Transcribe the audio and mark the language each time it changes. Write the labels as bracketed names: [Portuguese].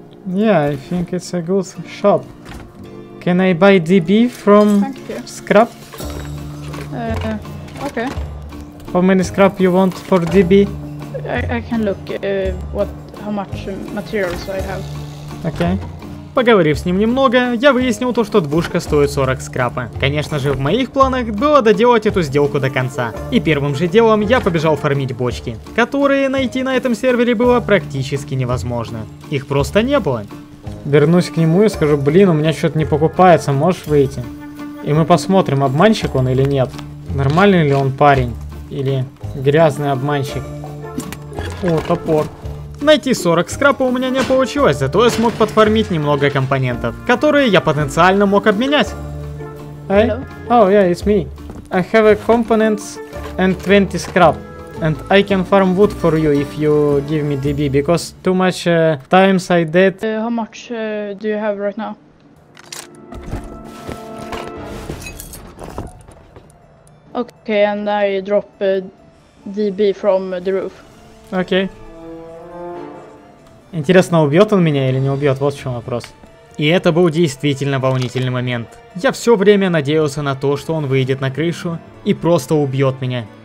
[English] Yeah, I think it's a good shop. Can I buy DB from scrap? Okay. How many scrap you want for DB? I can look how much materials I have. Okay. [Russian] Поговорив с ним немного, я выяснил то, что двушка стоит 40 скрапа. Конечно же, в моих планах было доделать эту сделку до конца. И первым же делом я побежал фармить бочки, которые найти на этом сервере было практически невозможно. Их просто не было. Вернусь к нему и скажу: блин, у меня что-то не покупается, можешь выйти? И мы посмотрим, обманщик он или нет. Нормальный ли он парень? Или грязный обманщик? О, топор. Найти 40 скрапа у меня не получилось, зато я смог подфармить немного компонентов, которые я потенциально мог обменять. [English] Hey. Hello. Oh yeah, it's me. I have a components and 20 scrap. And I can farm wood for you if you give me DB, because too much times I did. How much do you have right now? Okay, and I drop DB from the roof. Okay. [Russian] Интересно, убьет он меня или не убьет, вот в чем вопрос. И это был действительно волнительный момент. Я все время надеялся на то, что он выйдет на крышу и просто убьет меня.